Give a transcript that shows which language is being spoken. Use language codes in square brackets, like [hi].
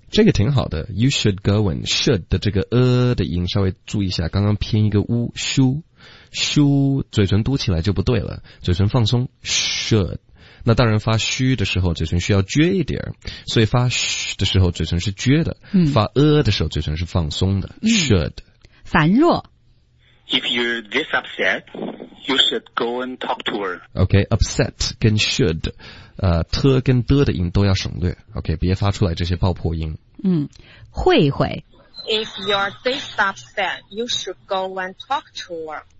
[zh] 这个挺好的 ,you should go and should 的这个的音稍微注意一下，刚刚偏一个呜 ,shu, 嘴唇嘟起来就不对了，嘴唇放松 ,should, 那当然发嘘的时候嘴唇需要撅一点，所以发嘘的时候嘴唇是撅的，发的时候嘴唇是放松的 ,should. 樊若 [en] If you're this upset, you should go and talk to her. Okay, upset 跟 should. [zh] 特跟的音都要省略 ,OK, 别发出来这些爆破音。慧慧。 [en] If you're this upset, you should go and talk to her.